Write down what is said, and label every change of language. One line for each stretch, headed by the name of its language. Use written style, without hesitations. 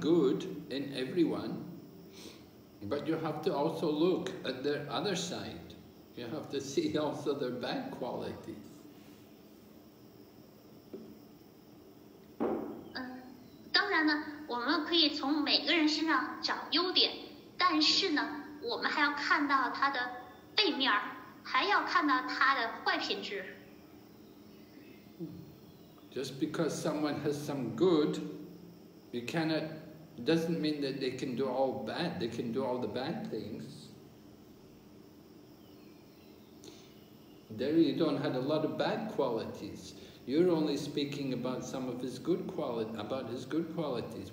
English: good in everyone, but you have to also look at their other side. You have to see also their bad qualities.
Chinese: 然呢，我们可以从每个人身上找优点，但是呢，我们还要看到他的背面，还要看到他的坏品质。
English: Just because someone has some good, you cannot, it doesn't mean that they can do all bad, they can do all the bad things. There you don't have a lot of bad qualities. You're only speaking about some of his good quality, about his good qualities.